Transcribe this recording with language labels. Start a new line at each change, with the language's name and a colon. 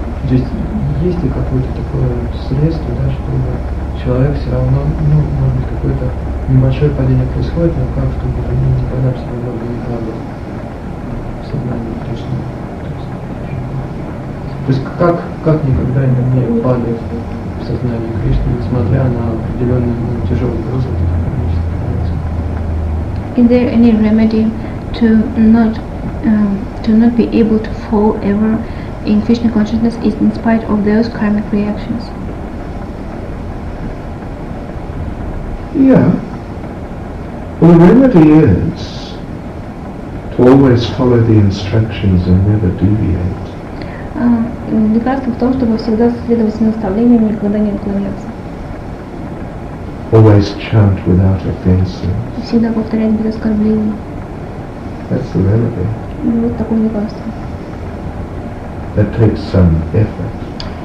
Russian: Есть ли какое-то такое средство, да, чтобы человек все равно, ну, может быть, какое-то небольшое падение происходит, но как, чтобы они никогда все равно не падали в сознание Кришны? То есть как никогда не падает в сознание Кришны, несмотря на определенные, ну, тяжелые грузы в этих кармических реакциях?
English: Is there any remedy to not be able to fall ever in Krishna consciousness is in spite of those karmic reactions? Yeah. Well, the remedy is to always follow the instructions and never deviate.
Russian: Лекарство в том, чтобы всегда следовать наставлениям и никогда не отклоняться.
English: Always chant without offenses.
Russian: Всегда повторять без оскорблений.
English: That's the remedy.
Russian: Ну, вот такое лекарство.
English: That takes some effort.